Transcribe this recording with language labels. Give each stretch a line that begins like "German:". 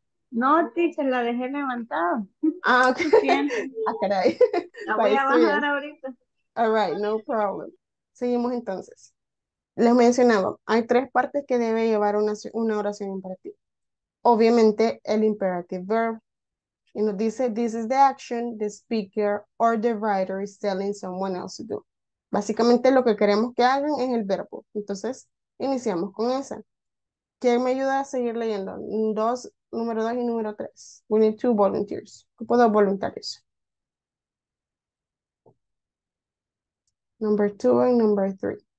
Spanish: No. No, teacher, la dejé levantada. Ah, ok. Ah, caray. La voy a bajar ahorita.
English: All right, no problem.
Spanish: Seguimos entonces. Les mencionaba, hay tres partes que debe llevar una oración imperativa.
English: Obviamente, el imperative verb.
Spanish: Y nos dice,
English: this is the action the speaker or the writer is telling someone else to do.
Spanish: Básicamente, lo que queremos que hagan es el verbo. Entonces, iniciamos con esa. ¿Quién me ayuda a seguir leyendo? Dos, número dos y número tres.
English: We need two volunteers.
Spanish: Grupo de voluntarios.
English: Number two and number three.